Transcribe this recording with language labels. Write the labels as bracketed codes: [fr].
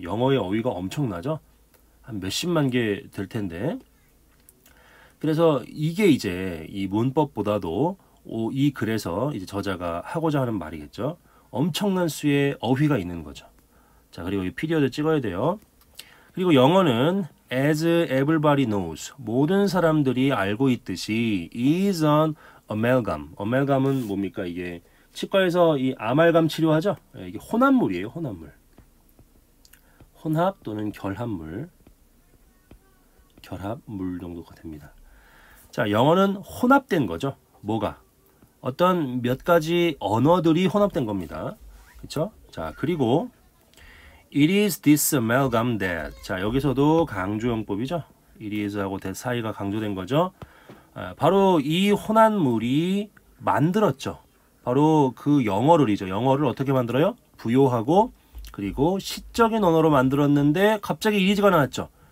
[ko] 영어의 어휘가 엄청나죠? 한 몇십만 개 될 텐데. 그래서 이게 이제 이 문법보다도 이 글에서 이제 저자가 하고자 하는 말이겠죠. 엄청난 수의 어휘가 있는 거죠. 자, 그리고 이 피리어드 찍어야 돼요. 그리고 영어는 [en] As everybody knows, [ko] 모든 사람들이 알고 있듯이 [en] is an amalgam. [ko] Amalgam은 뭡니까? 이게 치과에서 이 아말감 치료하죠? 이게 혼합물이에요, 혼합물. 혼합 또는 결합물. 결합물 정도가 됩니다. 자, 영어는 혼합된 거죠. 뭐가? 어떤 몇 가지 언어들이 혼합된 겁니다. 그쵸? [en] 자, 그리고 It is this amalgam that. [ko] 자, 여기서도 강조형법이죠. It is 하고 that 사이가 강조된 거죠. 바로 이 혼합물이 만들었죠. 바로 그 영어를이죠. 영어를 어떻게 만들어요? 부여하고 그리고 시적인 언어로 만들었는데 갑자기 it is가 나왔죠.